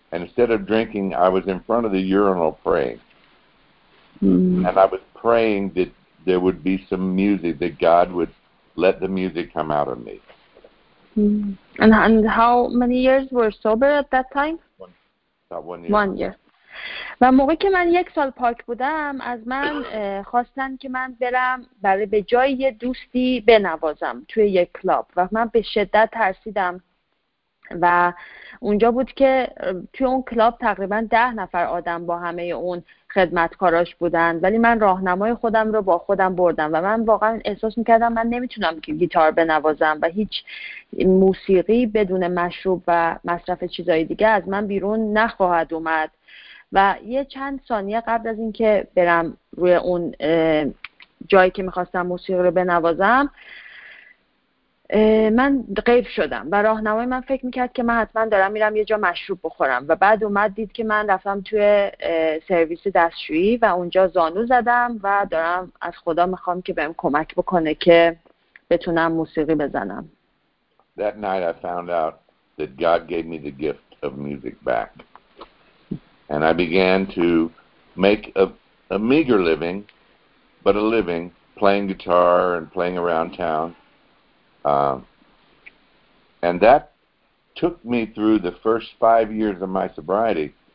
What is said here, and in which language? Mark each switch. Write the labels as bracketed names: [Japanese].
[English] And instead of drinking, I was in front of the urinal praying. Mm. And I was praying that there would be some music, that God would let the music come out of me. Mm. And how many years were sober at that time? About one year. [Persian] و موقعی که من یک سال پاک بودم از من خواستن که من برم برای به جای دوستی بنوازم توی یک کلاب و من به شدت ترسیدم و اونجا بود که توی اون کلاب تقریبا 10 نفر آدم با همه اون خدمتکاراش بودن ولی من راهنمای خودم رو با خودم بردم و من واقعا احساس میکردم من نمیتونم گیتار بنوازم و هیچ موسیقی بدون مشروب و مصرف چیزهای دیگه از من بیرون نخواهد اومد و یه چند ثانیه قبل از این که برم روی اون جایی که میخواستم موسیقی رو بنوازم من غیب شدم و راهنمای من فکر میکرد که من حتما دارم میرم یه جا مشروب بخورم و بعد اومد دید که من رفتم توی سرویس دستشویی و اونجا زانو زدم و دارم از خدا میخوام که بهم کمک بکنه که بتونم موسیقی بزنم. [English] That night I found out that God gave me the gift of music back. And I began to make a meager living, but a living, playing guitar and playing around town. And that took me through the first 5 years of my sobriety.